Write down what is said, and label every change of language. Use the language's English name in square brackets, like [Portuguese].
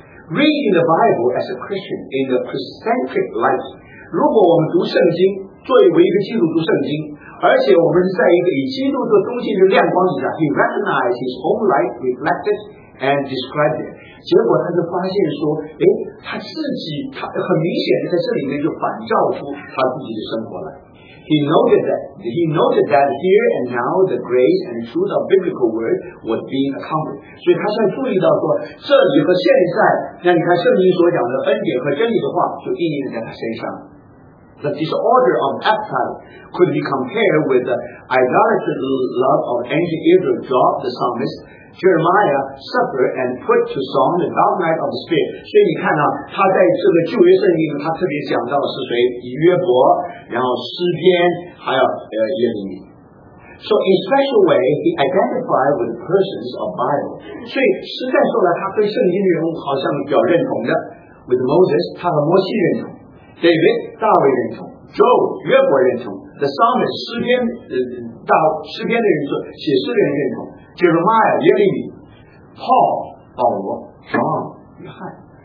[English] Reading the Bible as a Christian in the Christocentric light，如果我们读圣经，作为一个基督徒读圣经，而且我们在一个以基督的中心的亮光底下，he recognized his own light reflected and described it。 [Chinese] 结果他就发现说，哎，他很明显的在这里面就反照出他自己的生活来。 [English] He noted that here and now the grace and truth of biblical word was being accomplished。 [Chinese] 所以他现在注意到说，这里和现在，那你看圣经所讲的恩典和真理的话，就应验在他身上。 [English] The disorder of Absalom could be compared with the idolatrous love of ancient Israel. Job, the psalmist Jeremiah, suffered and put to song the downright of the spirit. [Chinese] 所以你看啊，他在这个旧约圣经里，他特别讲到是谁？约伯，然后诗篇，还有耶利米。 [English] So in special way, he identified with the persons of Bible. [Chinese] 所以实在说来，他对圣经的人物好像比较认同的。 With Moses, 他和摩西认同。David 大卫认同 ，Joe 约伯认同 ，The Psalmist 诗篇的人说写诗的人认同 ，Jeremiah 耶利米 ，Paul 保罗 ，John 约翰。